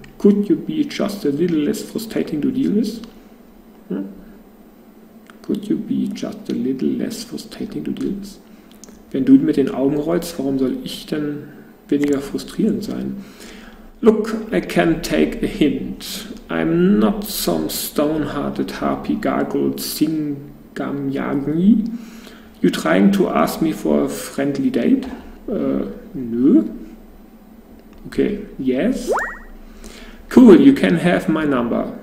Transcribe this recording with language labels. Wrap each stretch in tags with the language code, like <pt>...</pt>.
<en>Could you be just a little less frustrating to deal with? Could you be just a little less frustrating to deal with?</en> <de>Wenn du mit den Augen rollst, warum soll ich denn weniger frustrierend sein?</de> <en>Look, I can take a hint. I'm not some stone-hearted harpy gargle singamyagni. You trying to ask me for a friendly date? Nö. Okay, yes. Cool, you can have my number.</en>